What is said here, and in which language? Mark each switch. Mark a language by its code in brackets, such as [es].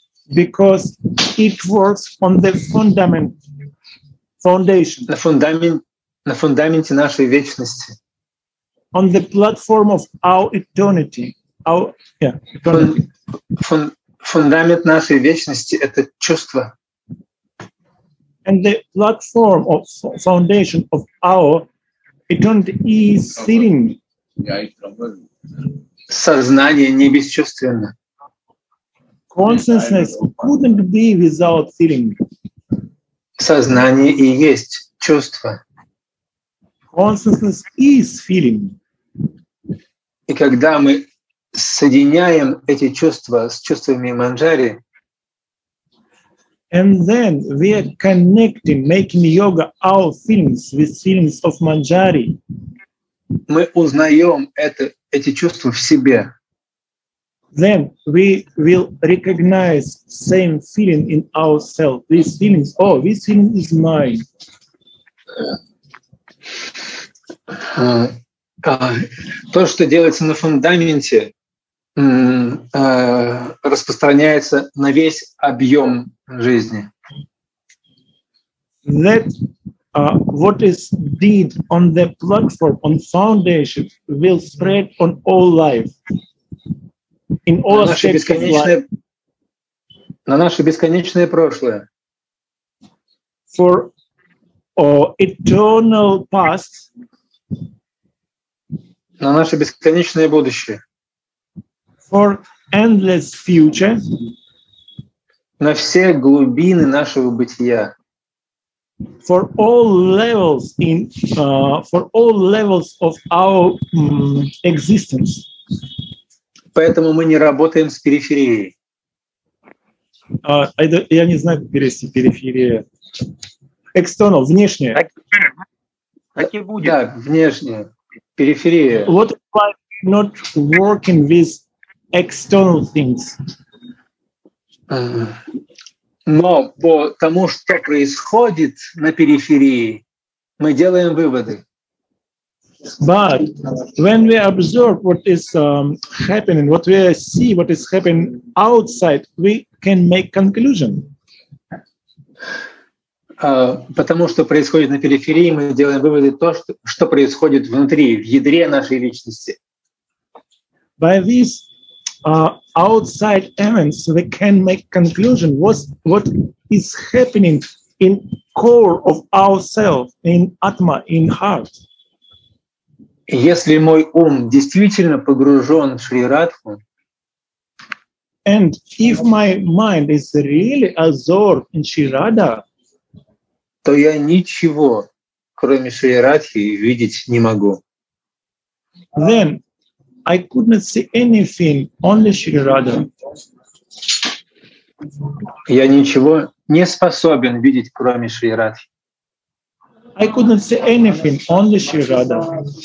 [en] Because it works on the fundament, foundation. [ru] На фундаменте нашей вечности. [en] On the platform of our eternity. Our, yeah, eternity. [ru] Фундамент нашей вечности — это чувство. [en] And the platform of foundation of our eternity is feeling. [ru] Сознание не бесчувственно. [en] Consciousness couldn't be without feeling. [ru] Сознание и есть чувство. [en] Consciousness is feeling. [ru] И когда мы соединяем эти чувства с чувствами Манджари, [en] and then we are connecting, making yoga our feelings with feelings of Manjari. [ru] Мы узнаем эти чувства в себе. [en] Then we will recognize same feeling in ourselves. These feelings, oh, this feeling is mine. [ru] То, что делается на фундаменте, распространяется на весь объем жизни. [en] That what is deed on the platform, on foundation, will spread on all life. In all aspects of life. [ru] На наше бесконечное прошлое. [en] For eternal past. [ru] На наше бесконечное будущее. [en] For endless future. [ru] На все глубины нашего бытия. [en] For all levels in for all levels of our existence. [ru] Поэтому мы не работаем с периферией. Я не знаю, как перевести периферия. [en] External, внешнее. [ru] Так и будет. Да, внешнее. Периферия. [en] What if I'm not working with external things? [ru] Но по тому, что происходит на периферии, мы делаем выводы. [en] But when we observe what is happening, what we see, what is happening outside, we can make conclusion. [ru] потому что происходит на периферии, мы делаем выводы то, что происходит внутри, в ядре нашей личности. [en] By these outside events, we can make conclusion what is happening in core of ourselves, in atma, in heart. [ru] Если мой ум действительно погружен в Шри Радху, [en] and if my mind is really absorbed in Shri Radha, [ru] то я ничего, кроме Шри Радхи, видеть не могу. [en] Then I could not see anything, only Shri Radha. [ru] Я ничего не способен видеть, кроме Шри Радхи. [en] I could not see anything, only Shri Radha.